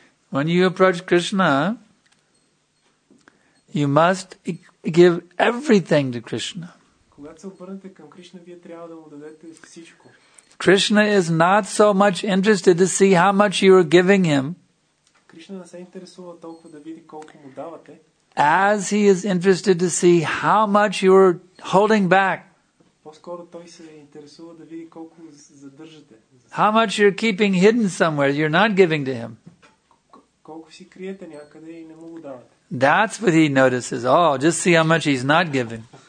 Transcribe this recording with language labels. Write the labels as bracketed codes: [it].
[en] When you approach Krishna, you must give everything to Krishna. [bg] Когато се обърнете към Кришна, вие трябва да му дадете всичко. [en] Krishna is not so much interested to see how much you are giving him. [bg] Кришна не се интересува толкова да види колко му давате. [en] As he is interested to see how much you are holding back. [bg] По-скоро той се интересува да види колко задържате. [en] How much you're keeping hidden somewhere you're not giving to him. [bg] Колко си криете някъде и не му го давате. [en] That's what he notices. Oh, just see how much he's not giving.